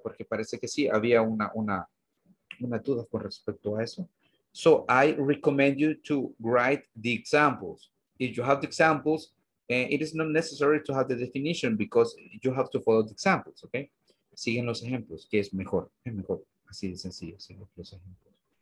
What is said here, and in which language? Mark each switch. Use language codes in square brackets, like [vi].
[es] Porque parece que sí, había una duda con respecto a eso. [en] So I recommend you to write the examples. If you have the examples, it is not necessary to have the definition because you have to follow the examples, okay? [es] Siguen los ejemplos, que es mejor, así de sencillo, siguen los ejemplos.